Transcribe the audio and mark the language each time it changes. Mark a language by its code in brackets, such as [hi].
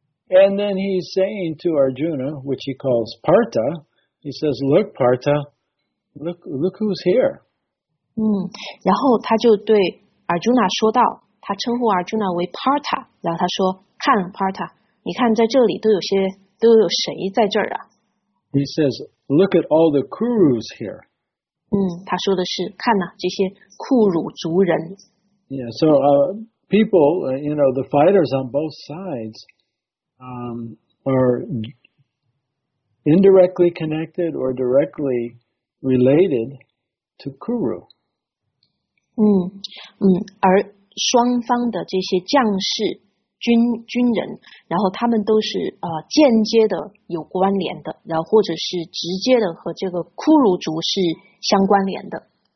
[en] And then he's saying to Arjuna, which he calls Partha, he says, look Partha, look who's here. [zh] 然后他就对 Arjuna 说道，他称呼 Arjuna 为 Partha, 然后他说，看 Partha, 你看在这里都有谁在这儿啊。 [en] He says, look at all the Kurus here. [zh] 他说的是，看啊，这些库鲁族人。 [en] Yeah, so people, you know, the fighters on both sides,are indirectly connected or directly related to Kuru. [zh] 而双方的这些将士、军人，然后他们都是间接的有关联的，然后或者是直接的和这个库鲁族是相关联的。